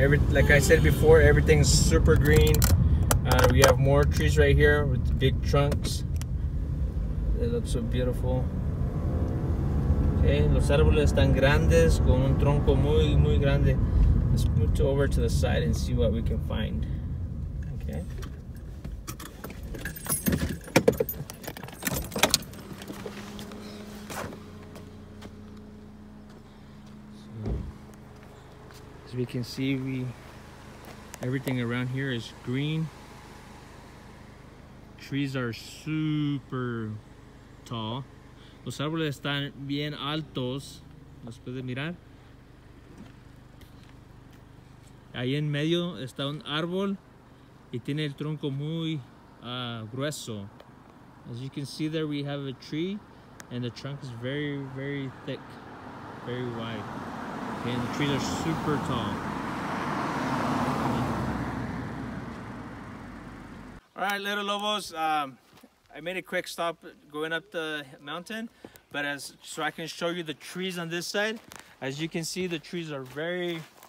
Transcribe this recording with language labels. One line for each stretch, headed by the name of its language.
English: Like I said before, everything's super green. We have more trees right here with big trunks. They look so beautiful.
Spanish: Okay, los árboles están grandes con un tronco muy, muy grande.
English: Let's move over to the side and see what we can find. Okay. So, as we can see, everything around here is green. Trees are super tall.
Spanish: Los árboles están bien altos, los puedes mirar. Ahí en medio está un árbol y tiene el tronco muy grueso.
English: As you can see there, we have a tree and the trunk is very, very thick, very wide. Okay, and the trees are super tall. All right, little lobos, I made a quick stop going up the mountain, but so I can show you the trees on this side. As you can see, the trees are very,